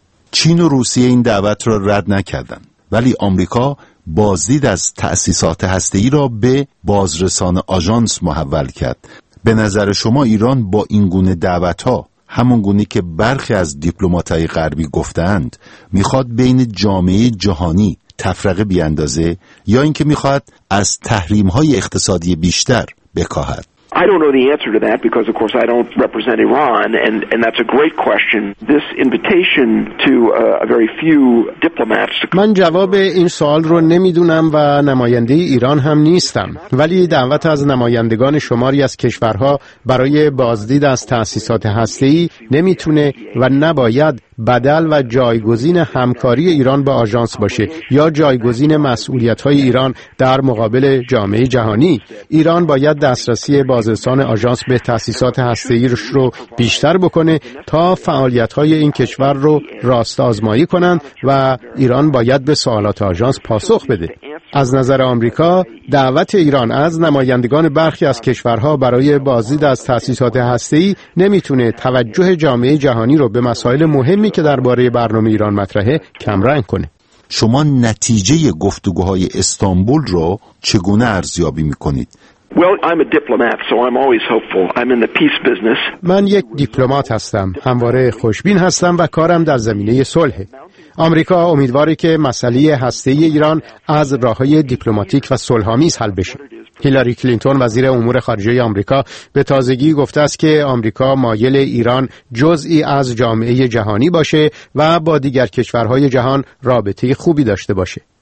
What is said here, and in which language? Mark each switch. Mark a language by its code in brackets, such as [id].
[fa] چین و روسیه این دعوت را رد نکردند، ولی آمریکا بازدید از تأسیسات هسته‌ای را به بازرسان آژانس محول کرد. به نظر شما ایران با این گونه دعوت‌ها، همون گونه که برخی از دیپلمات‌های غربی گفتند، می‌خواد بین جامعه جهانی تفرقه بیاندازه یا اینکه می‌خواد از تحریم‌های اقتصادی بیشتر بکاهد؟ [en] I don't know the answer to that because of course I don't represent Iran and that's a great question. This invitation to a very few diplomats. [fa] من جواب این سوال رو نمیدونم و نماینده ایران هم نیستم، ولی دعوت از نمایندگان شماری از کشورها برای بازدید از تأسیسات هسته‌ای نمیتونه و نباید بدل و جایگزین همکاری ایران با آژانس باشه یا جایگزین مسئولیت‌های ایران در مقابل جامعه جهانی. ایران باید دسترسی بازرسان آژانس به تأسیسات هسته‌ایش رو بیشتر بکنه تا فعالیت‌های این کشور رو راست آزمایی کنند و ایران باید به سوالات آژانس پاسخ بده. از نظر آمریکا دعوت ایران از نمایندگان برخی از کشورها برای بازدید از تأسیسات هسته‌ای نمیتونه توجه جامعه جهانی رو به مسائل مهمی که درباره برنامه ایران مطرحه کمرنگ کنه. شما نتیجه گفتگوهای استانبول رو چگونه ارزیابی میکنید؟ [en] Well, I'm a diplomat, so I'm always hopeful. I'm in the peace business. [fa] من یک دیپلمات هستم. همواره خوشبین هستم و کارم در زمینه صلح. آمریکا امیدواره که مسئله هسته‌ای ایران از راه‌های دیپلماتیک و صلح‌آمیز حل بشه. هیلاری کلینتون وزیر امور خارجه آمریکا به تازگی گفته است که آمریکا مایل ایران جزئی از جامعه جهانی باشه و با دیگر کشورهای جهان رابطه خوبی داشته باشه.